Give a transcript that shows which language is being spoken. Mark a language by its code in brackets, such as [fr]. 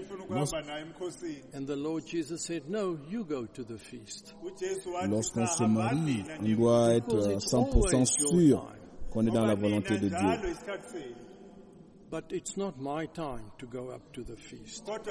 [en] And the Lord Jesus said, "No, you go to the feast." [fr] Lorsqu'on se marie, on doit être 100% sûr qu'on est dans la volonté de Dieu. [en] But it's not my time to go up to the feast.